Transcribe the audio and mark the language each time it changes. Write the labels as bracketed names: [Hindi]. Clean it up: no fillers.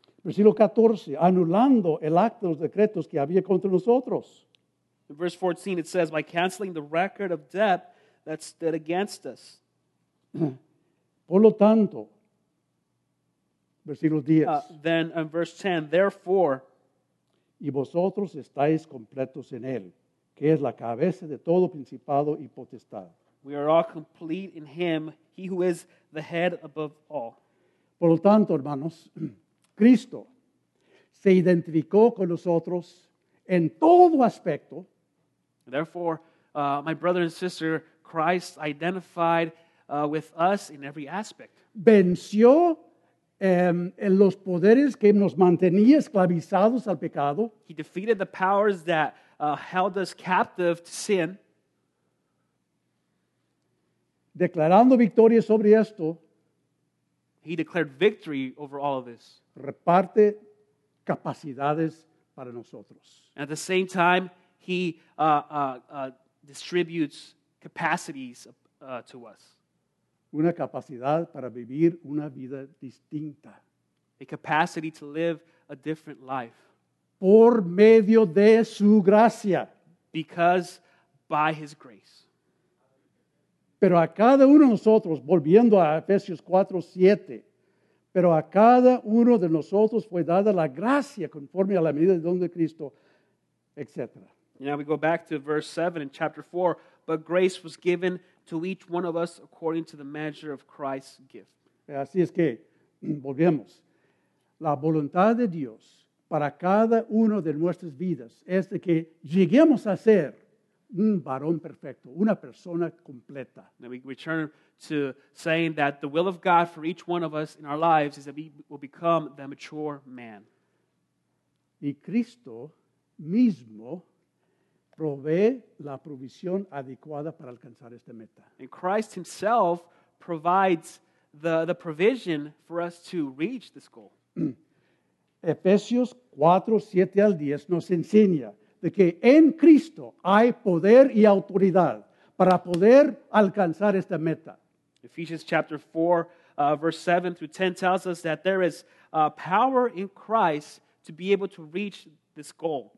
[Spanish] Versículo 14, anulando el acto de los decretos que había contra nosotros. [English] In verse 14, it says, by canceling the record of debt that stood against us. [Spanish] Por lo tanto, versículo 10. [English] Then in verse 10, therefore, [Spanish] y vosotros estáis completos en él, que es la cabeza de todo principado y potestad. [English] We are all complete in him, he who is the head above all. [Spanish] Por lo tanto, hermanos, Cristo se identificó con nosotros en todo aspecto. [English] Therefore, my brother and sister, Christ identified with us in every aspect. [Spanish] Venció en los poderes que nos mantenía esclavizados al pecado. [English] He defeated the powers that held us captive to sin. [Spanish] Declarando victoria sobre esto. [English] He declared victory over all of this. [Spanish] Reparte capacidades para nosotros. [English] At the same time, he distributes capacities to us. [Spanish] Una capacidad para vivir una vida distinta. [English] A capacity to live a different life. [Spanish] Por medio de su gracia. [English] Because by his grace. [Spanish] Pero a cada uno de nosotros, volviendo a Efesios 4:7. Pero a cada uno de nosotros fue dada la gracia conforme a la medida del don de Cristo, etc. [English] Now we go back to verse 7 in chapter 4. But grace was given to each one of us according to the measure of Christ's gift. [Spanish] Así es que, volvemos. La voluntad de Dios para cada uno de nuestras vidas es de que lleguemos a ser un varón perfecto, una persona completa. [English] Now we return to saying that the will of God for each one of us in our lives is that we will become the mature man. [Spanish] Y Cristo mismo provee la provisión adecuada para alcanzar esta meta. [English] And Christ himself provides the provision for us to reach this goal. [Spanish] Efesios 4:7 al 10 nos enseña de que en Cristo hay poder y autoridad para poder alcanzar esta meta. [English] Ephesians chapter 4, verse 7 through 10 tells us that there is power in Christ to be able to reach this goal.